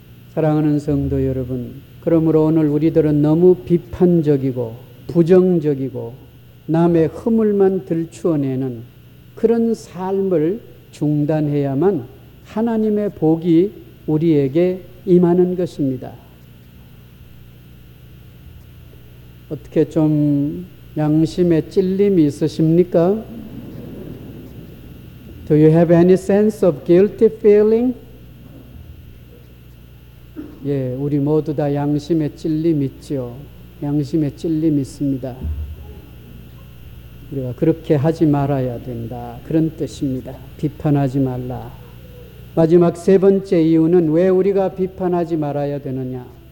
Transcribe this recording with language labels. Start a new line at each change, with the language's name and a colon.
Korean: 사랑하는 성도 여러분, 그러므로 오늘 우리들은 너무 비판적이고 부정적이고 남의 허물만 들추어내는 그런 삶을 중단해야만 하나님의 복이 우리에게 임하는 것입니다. 어떻게 좀 양심에 찔림이 있으십니까?
English: Do you have any sense of guilty feeling?
Korean: 예, 우리 모두 다 양심에 찔림이 있죠. 양심에 찔림이 있습니다. 우리가 그렇게 하지 말아야 된다. 그런 뜻입니다. 비판하지 말라. 마지막 세 번째 이유는 왜 우리가 비판하지 말아야 되느냐?